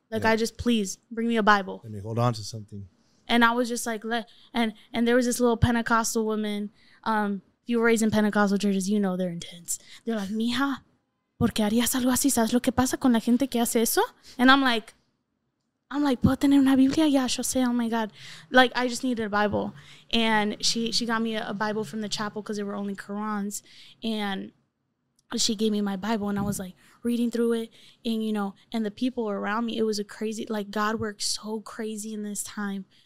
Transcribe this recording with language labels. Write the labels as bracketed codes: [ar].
[en] Like, yeah. I just, please, bring me a Bible. Let me hold on to something. And I was just like, and there was this little Pentecostal woman. If you were raised in Pentecostal churches, you know they're intense. [es] They're like, mija, ¿por qué harías algo así? ¿Sabes lo que pasa con la gente que hace eso? And I'm like, ¿puedo tener una Biblia? [en] Yeah, she'll say, oh my God. Like, I just needed a Bible. And she got me a Bible from the chapel because there were only Qurans. And she gave me my Bible, and I was like, reading through it, and, you know, and the people around me, it was a crazy, like, God worked so crazy in this time,